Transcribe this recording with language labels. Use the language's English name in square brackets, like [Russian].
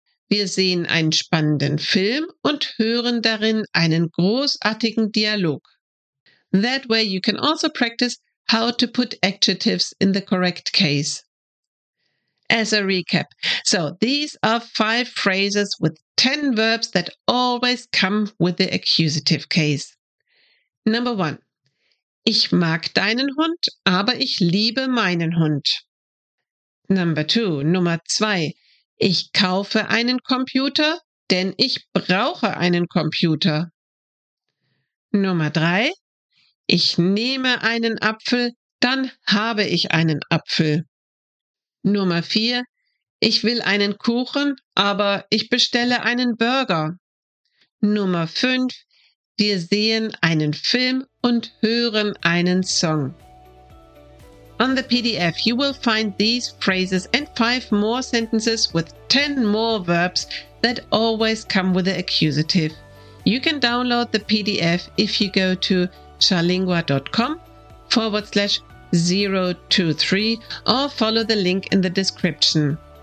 [German] Wir sehen einen spannenden Film und hören darin einen großartigen Dialog. [English] That way you can also practice how to put adjectives in the correct case. As a recap, so these are 5 phrases with 10 verbs that always come with the accusative case. Number 1. [German] Ich mag deinen Hund, aber ich liebe meinen Hund. Nummer 2. Ich kaufe einen Computer, denn ich brauche einen Computer. Nummer 3. Ich nehme einen Apfel, dann habe ich einen Apfel. Nummer 4. Ich will einen Kuchen, aber ich bestelle einen Burger. Nummer 5. Wir sehen einen Film und hören einen Song. [English] On the PDF, you will find these phrases and 5 more sentences with 10 more verbs that always come with the accusative. You can download the PDF if you go to charlingua.com/023 or follow the link in the description.